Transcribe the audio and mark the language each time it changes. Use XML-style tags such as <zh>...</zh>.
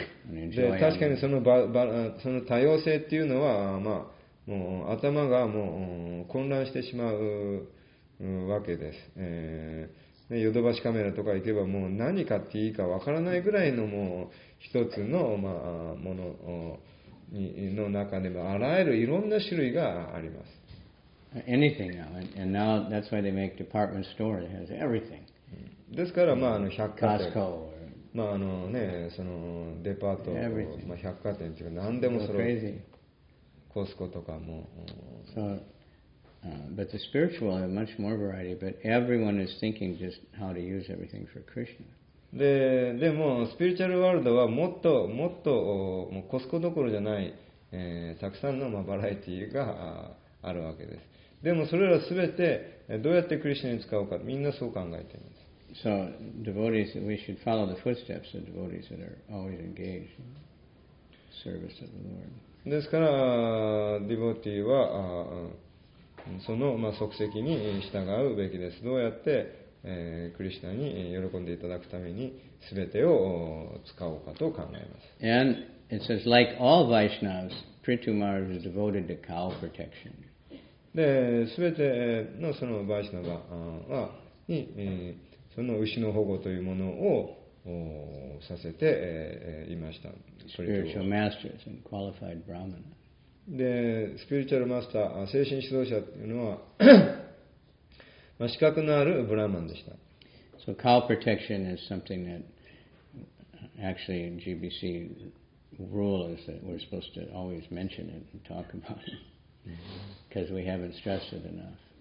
<ja>で、確かにその多様性っていうのは、まあ、もう頭がもう混乱してしまうわけです。ヨドバシカメラとか行けばもう何買っていいかわからないぐらいのもう一つの、まあ、ものの中でもあらゆるいろんな種類があります。</ja> <en>Anything now. And now that's why they make department store that has everything.</en> <ja>ですから、まあ、あの百貨店、</ja> <en>Costco、</en> <ja>まああのね、そのデパート、まあ、百貨店というか何でもそ</ja> <en>れ、crazy.</en> <ja>コスコとかも、</ja> <en>so,but the spiritual have much more variety, but everyone is thinking just how to use everything for Krishna.</en> <ja>でもスピリチュアルワールドはもっともっと、もうコスコどころじゃない、たくさんの、まあ、バラエティがあるわけです。でもそれらすべてどうやってクリシナに使うか、みんなそう考えています。</ja> <en>So devotees, we should follow the footsteps of devotees that are always engaged in service of the Lord.</en> <ja>ですから、デボティはその、まあ、足跡に従うべきです。どうやって、クリシナに喜んでいただくために全てを使おうかと考えます。</ja> <en>And it says, like all Vaishnavas, Prithu Maharaj is devoted to cow protection.</en> <ja>で、全てのそのバイシナバはに、その牛の保護というものをさせて、いました。</ja> <en>Spiritual masters and qualified Brahman.</en> <ja>で、</ja> <en>spiritual master、</en> <ja>精神指導者というのは、まあ、資格のあるブラーマンでした。</ja> <en>So cow protection is something that actually in GBC rule is that we're supposed to always mention it and talk about it because we haven't stressed it enough.</en>